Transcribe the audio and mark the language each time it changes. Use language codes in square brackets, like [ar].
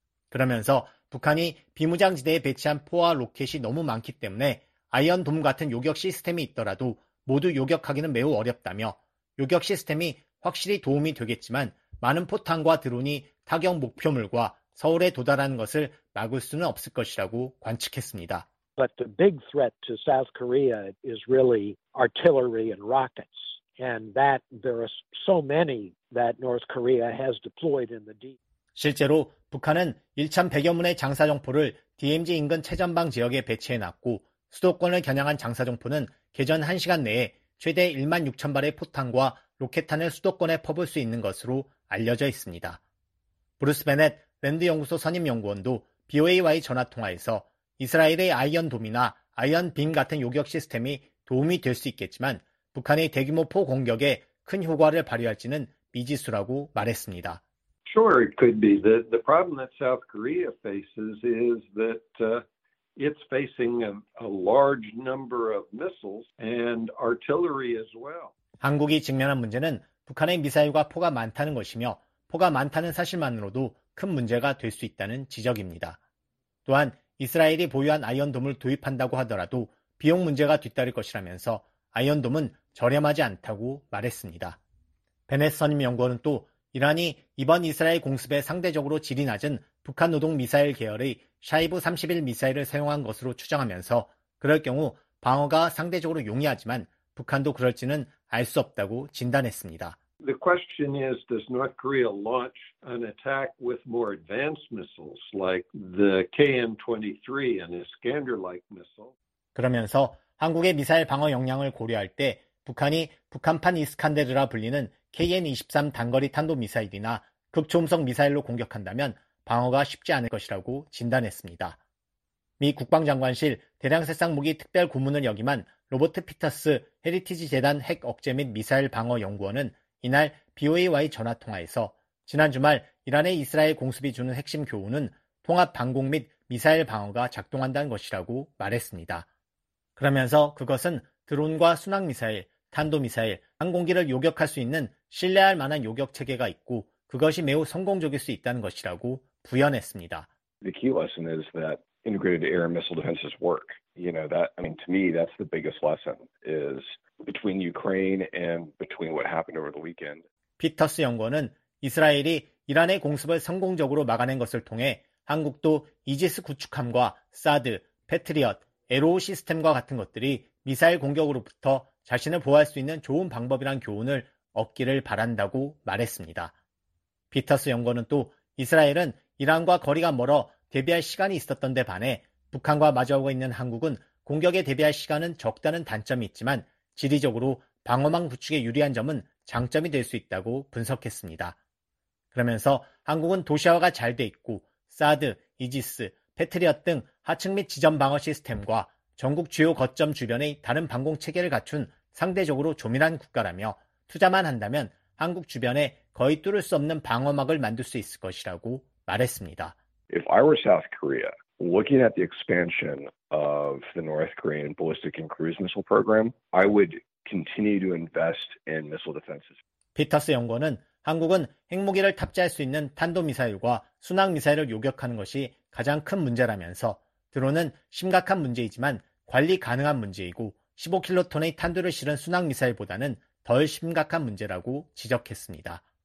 [ko] 그러면서 북한이 비무장지대에 배치한 포와 로켓이 너무 많기 때문에 아이언돔 같은 요격 시스템이 있더라도 모두 요격하기는 매우 어렵다며 요격 시스템이 확실히 도움이 되겠지만 많은 포탄과 드론이 타격 목표물과 서울에 도달하는 것을 막을 수는 없을 것이라고 관측했습니다. [en] But the big threat to South Korea is really artillery and rockets. And that there are so many that North Korea has deployed in the deep. [ko] 실제로 북한은 1,100여 문의 장사정포를 DMZ 인근 최전방 지역에 배치해 놨고 수도권을 겨냥한 장사정포는 개전 1시간 내에 최대 1만 6천 발의 포탄과 로켓탄을 수도권에 퍼볼 수 있는 것으로 알려져 있습니다. 브루스 베넷 랜드 연구소 선임 연구원도 BOA와의 전화 통화에서 이스라엘의 아이언 돔이나 아이언 빔 같은 요격 시스템이 도움이 될 수 있겠지만 북한의 대규모 포 공격에 큰 효과를 발휘할지는 미지수라고 말했습니다. [en] Sure, it could be. The problem that South Korea faces is that it's facing a large number of missiles and artillery as well. [ko] 한국이 직면한 문제는 북한의 미사일과 포가 많다는 것이며 포가 많다는 사실만으로도 큰 문제가 될 수 있다는 지적입니다. 또한 이스라엘이 보유한 아이언돔을 도입한다고 하더라도 비용 문제가 뒤따를 것이라면서 아이언돔은 저렴하지 않다고 말했습니다. 베넷 선임 연구원은 또 이란이 이번 이스라엘 공습에 상대적으로 질이 낮은 북한 노동 미사일 계열의 샤이브 31 미사일을 사용한 것으로 추정하면서 그럴 경우 방어가 상대적으로 용이하지만 북한도 그럴지는 알 수 없다고 진단했습니다. [en] The question is, does North Korea launch an attack with more advanced missiles like the KN-23 and Iskander-like missile? [ko] 그러면서 한국의 미사일 방어 역량을 고려할 때 북한이 북한판 이스칸데르라 불리는 KN-23 단거리 탄도미사일이나 극초음속 미사일로 공격한다면 방어가 쉽지 않을 것이라고 진단했습니다. 미 국방장관실 대량살상무기특별고문을 역임한 로버트 피터스 헤리티지 재단 핵 억제 및 미사일 방어 연구원은 이날 BOA와의 전화통화에서 지난 주말 이란의 이스라엘 공습이 주는 핵심 교훈은 통합 방공 및 미사일 방어가 작동한다는 것이라고 말했습니다. 그러면서 그것은 드론과 순항미사일, 탄도미사일, 항공기를 요격할 수 있는 신뢰할 만한 요격체계가 있고 그것이 매우 성공적일 수 있다는 것이라고 부연했습니다. [en] The key lesson is that integrated air missile defenses work. You know, that, I mean, to me, that's the biggest lesson is between Ukraine and between what happened over the weekend. [ko] 피터스 연구원은 이스라엘이 이란의 공습을 성공적으로 막아낸 것을 통해 한국도 이지스 구축함과 사드, 패트리엇, 에로우 시스템과 같은 것들이 미사일 공격으로부터 자신을 보호할 수 있는 좋은 방법이란 교훈을 얻기를 바란다고 말했습니다. 피터스 연구원은 또 이스라엘은 이란과 거리가 멀어 대비할 시간이 있었던 데 반해 북한과 마주하고 있는 한국은 공격에 대비할 시간은 적다는 단점이 있지만 지리적으로 방어망 구축에 유리한 점은 장점이 될 수 있다고 분석했습니다. 그러면서 한국은 도시화가 잘 돼 있고 사드, 이지스, 패트리엇 등 하층 및 지점 방어 시스템과 전국 주요 거점 주변의 다른 방공 체계를 갖춘 상대적으로 조밀한 국가라며 투자만 한다면 한국 주변에 거의 뚫을 수 없는 방어막을 만들 수 있을 것이라고 말했습니다. [en] If I were South Korea, looking at the expansion of the North Korean ballistic and cruise missile program, I would continue to invest in missile defenses. [ko] 피터스 연구원은 한국은 핵무기를 탑재할 수 있는 탄도미사일과 순항미사일을 요격하는 것이 가장 큰 문제라면서 드론은 심각한 문제이지만 관리 가능한 문제이고 15킬로톤의 탄두를 실은 순항미사일보다는 덜 심각한 문제라고 지적했습니다.